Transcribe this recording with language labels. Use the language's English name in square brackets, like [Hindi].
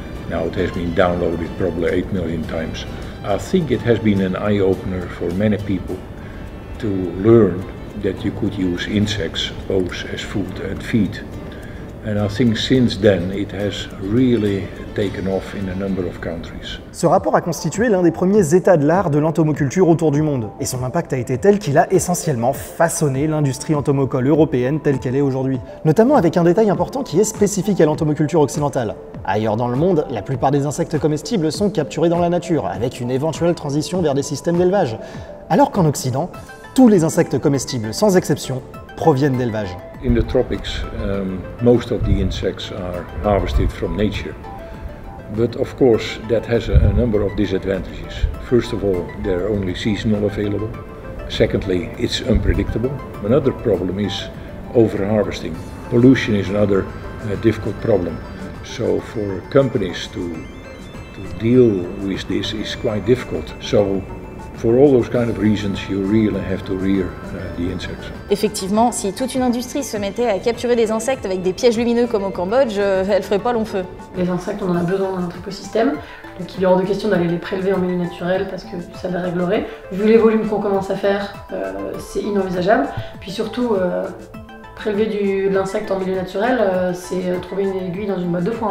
[English] Now it has been downloaded probably 8 million times. I think it has been an eye-opener for many people to learn that you could use insects both as food and feed. And I think since then it has really taken off in a number of countries. [French] Ce rapport a constitué l'un des premiers états de l'art de l'entomoculture autour du monde. Et son impact a été tel qu'il a essentiellement façonné l'industrie entomocole européenne telle qu'elle est aujourd'hui. Notamment avec un détail important qui est spécifique à l'entomoculture occidentale. Ailleurs dans le monde, la plupart des insectes comestibles sont capturés dans la nature, avec une éventuelle transition vers des systèmes d'élevage. Alors qu'en Occident, tous les insectes comestibles, sans exception, proviennent d'élevage. [English] In the tropics, most of the insects are harvested from nature. But of course, that has a number of disadvantages. First of all, they're only seasonal available. Secondly, it's unpredictable. Another problem is overharvesting. Pollution is another difficult problem. So for companies to deal with this is quite difficult. So for all those kind of reasons, you really have to rear the insects. [French] Effectivement, si toute une industrie se mettait à capturer des insectes avec des pièges lumineux comme au Cambodge, elle ferait pas long feu. Les insectes, on en a besoin dans notre écosystème. Donc il est hors de question d'aller les prélever en milieu naturel parce que ça les réglerait. Vu les volumes qu'on commence à faire, c'est inenvisageable. Puis surtout, prélever de l'insecte en milieu naturel, c'est trouver une aiguille dans une botte de foin.